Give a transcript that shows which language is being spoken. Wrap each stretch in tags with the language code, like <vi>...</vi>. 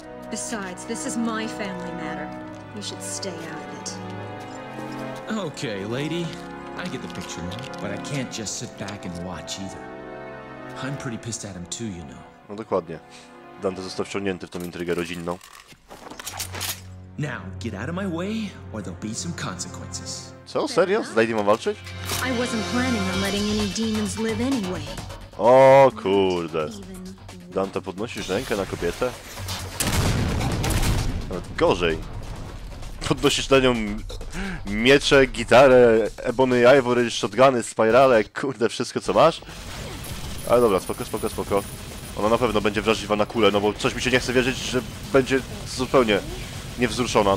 <en>Besides, this is my family matter. You should stay out of it. Okay, lady. I get the picture, but I can't just sit back and watch either. I'm pretty pissed at him too, you know.</en> <pl>No dokładnie. Dante został wciągnięty w tą intrygę rodzinną.</pl> <en>Now, get out of my way, or there'll be some consequences.</en> <pl>Co? Serio? Z Lady'ma walczyć?</pl> <en>I wasn't planning on letting any demons live anyway.</en> <pl>O kurde. Dante, podnosisz rękę na kobietę? Nawet gorzej. Podnosisz na nią miecze, gitarę, ebony, ivory, shotguny, spirale, kurde, wszystko co masz? Ale dobra, spoko. Ona na pewno będzie wrażliwa na kulę, no bo coś mi się nie chce wierzyć, że będzie zupełnie niewzruszona.</pl>